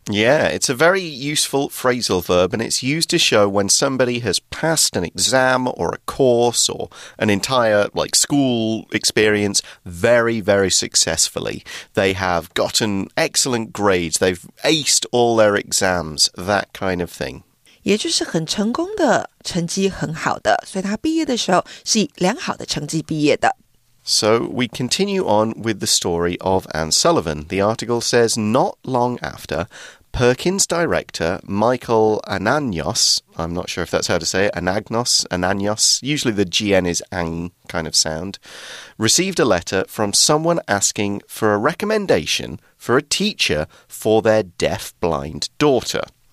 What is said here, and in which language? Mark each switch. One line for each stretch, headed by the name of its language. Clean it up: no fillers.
English: Yeah, it's a very useful phrasal verb and it's used to show when somebody has passed an exam or a course or an entire like school experience very successfully. They have gotten excellent grades. They've aced all their exams, that kind of thing.
Chinese: 也就是很成功的，成绩很好的，所以他毕业的时候是以良好的成绩毕业的。
English: So we continue on with the story of Anne Sullivan. The article says, not long after, Perkins director Michael Ananios, I'm not sure if that's how to say it, Anagnos, Ananios, usually the GN is ang kind of sound, received a letter from someone asking for a recommendation for a teacher for their deaf-blind daughter.